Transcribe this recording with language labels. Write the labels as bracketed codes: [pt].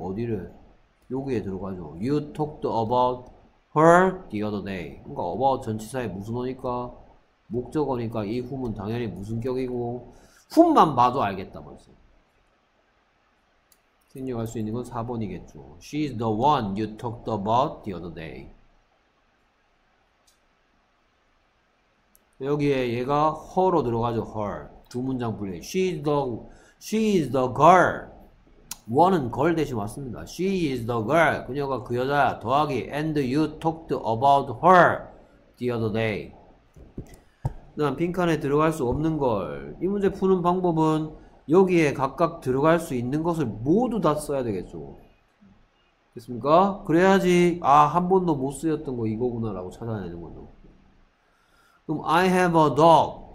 [ko] 어디를? 여기에 들어가죠. [en] You talked about her the other day. [ko] 그러니까 about 전치사의 무슨 어니까 목적어니까 이 whom은 당연히 무슨 격이고 whom만 봐도 알겠다 벌써. 생략할 수 있는 건 4번이겠죠. [en] She is the one you talked about the other day. [ko] 여기에 얘가 her로 들어가죠. her. 두 문장 분리. [en] She is the girl. [ko] one은 girl 대신 왔습니다. [en] She is the girl. [ko] 그녀가 그 여자야. 더하기. [en] And you talked about her the other day. [ko] 그 다음 빈칸에 들어갈 수 없는 걸. 이 문제 푸는 방법은 여기에 각각 들어갈 수 있는 것을 모두 다 써야 되겠죠. 됐습니까? 그래야지 아, 한 번도 못 쓰였던 거 이거구나 라고 찾아내는 거죠. 그럼 [en] I have a dog.